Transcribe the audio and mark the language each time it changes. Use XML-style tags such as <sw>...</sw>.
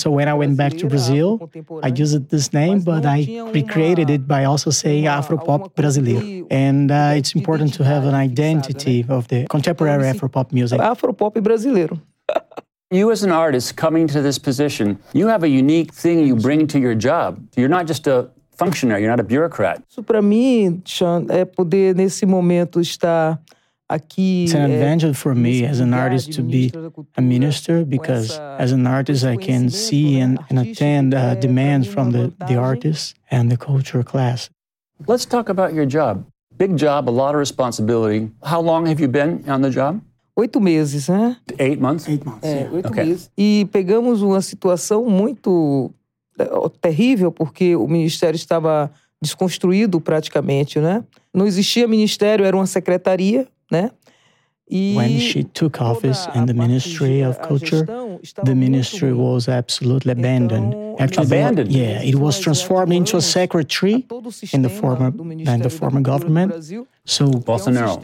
<en>So when I went back to Brazil, I used this name, but I recreated it by also saying Afro-pop brasileiro. And it's important to have an identity of the contemporary Afro-pop music.</en> <pt>Afro-pop brasileiro.</pt> <en>You as an artist coming to this position, you have a unique thing you bring to your job. You're not just a functionary, you're not a bureaucrat.</en> <pt>Isso para mim, Sean, é poder nesse momento estar</pt> <en>It's an advantage for me as an artist to be a minister, because as an artist I can see and attend demands from the artists and the culture class. Let's talk about your job. Big job, a lot of responsibility. How long have you been on the job? 8 months, huh? 8 months? 8 months. Okay.</en> <pt>E pegamos uma situação muito terrível, porque o ministério estava desconstruído praticamente, né? Não existia ministério, era uma secretaria, né?</pt> <en>When she took office in the Ministry of Culture, the ministry was absolutely abandoned. Actually, abandoned? Yeah, it was transformed into a secretary in the former government. So, Bolsonaro.</en>